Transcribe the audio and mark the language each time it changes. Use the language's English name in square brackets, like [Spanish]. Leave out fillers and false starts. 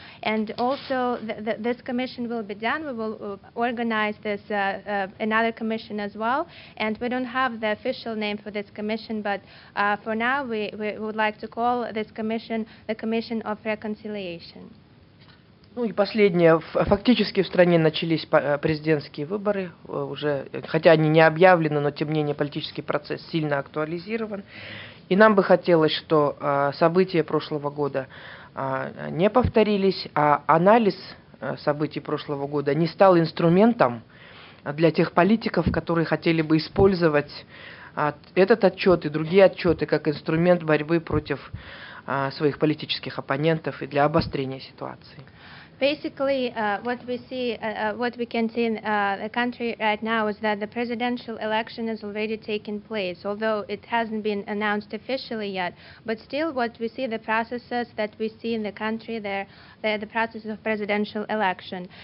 [English] And also this commission will be done. We will organize this another commission as well, and we don't have the official name for this commission, but for now we would like to call this commission the Commission of Reconciliation. [Russian] Ну и последнее. Фактически в стране начались президентские выборы, уже, хотя они не объявлены, но тем не менее политический процесс сильно актуализирован. И нам бы хотелось, что события прошлого года не повторились, а анализ событий прошлого года не стал инструментом для тех политиков, которые хотели бы использовать этот отчет и другие отчеты как инструмент борьбы против своих политических оппонентов и для обострения ситуации. [English] Basically, what we see, what we can see in the country right now is that the presidential election has already taken place, although it hasn't been announced officially yet. But still, what we see, the processes that we see in the country, they're the processes of presidential election.